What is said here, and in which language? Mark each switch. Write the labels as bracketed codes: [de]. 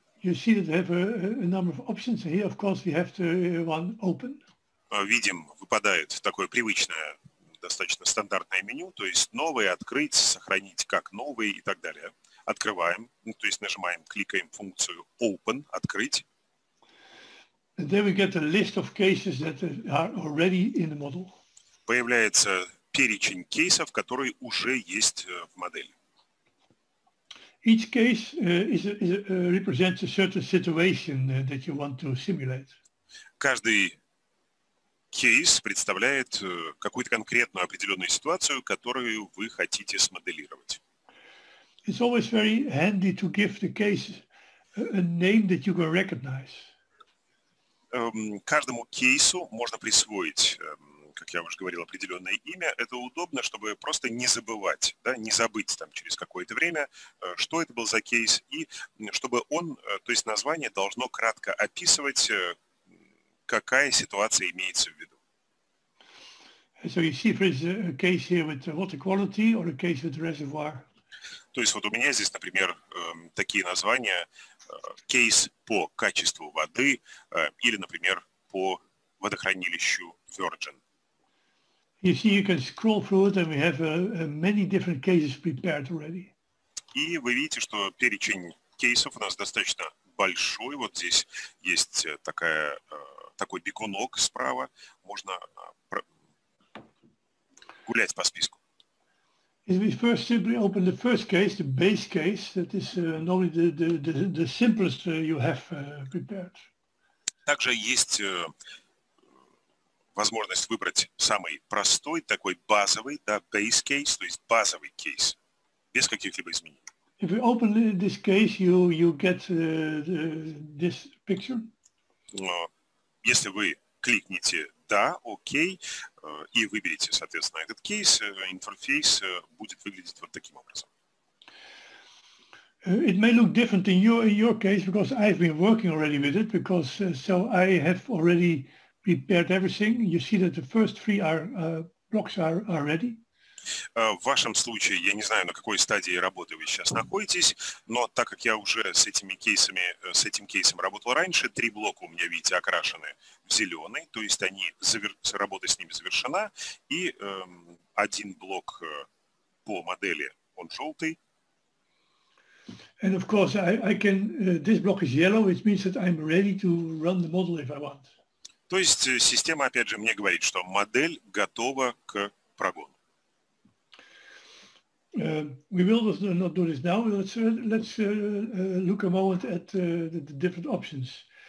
[en] you see that we have a number of options here. Of course, we have to one open. [ru] Видим, выпадает такое привычное, достаточно стандартное меню, то есть новое открыть, сохранить как новый и так далее. Открываем, ну, то есть нажимаем, кликаем функцию open, открыть. [en] And then we get a list of cases that are already in the model. [ru] Появляется перечень кейсов, которые уже есть в модели. [en] Each case represents a certain situation that you want to simulate. [ru] Каждый кейс представляет какую-то конкретную определенную ситуацию, которую вы хотите смоделировать. [en] It's always very handy to give the case a name that you can recognize. [ru] Каждому кейсу можно присвоить, как я уже говорил, определенное имя. Это удобно, чтобы просто не забывать, да, не забыть там через какое-то время, что это был за кейс, и чтобы он, то есть название должно кратко описывать, какая ситуация имеется в виду. [en] So you see if there's a case here with water quality or a case with a reservoir. [ru] То есть вот у меня здесь, например, такие названия, кейс по качеству воды или, например, по водохранилищу Virgin. [en] You see, you can scroll through it, and we have many different cases prepared already. [ru] И вы видите, что перечень кейсов у нас достаточно большой. Вот здесь есть такая, такой бегунок справа. Можно гулять по списку. [en] We first simply open the first case, the base case, that is normally the simplest you have prepared. [ru] Также есть возможность выбрать самый простой, такой базовый, да, base case, то есть базовый кейс, без каких-либо изменений. [en] If you open this case, you get this picture. [ru] Если вы кликните «Да», «Окей», и выберите, соответственно, этот кейс, интерфейс будет выглядеть вот таким образом. [en] It may look different in your case, because I've been working already with it, because so I have already prepared everything. You see that the first three blocks are ready. [ru] В вашем случае, я не знаю, на какой стадии работы вы сейчас находитесь, но так как я уже с этими кейсами, с этим кейсом работал раньше, три блока у меня, видите, окрашены в зеленый, то есть они работа с ними завершена, и один блок по модели, он желтый. [en] And of course, I can, this block is yellow, which means that I'm ready to run the model if I want. [ru] То есть система, опять же, мне говорит, что модель готова к прогону. [en] We will not do this now. Let's look a moment at the different options.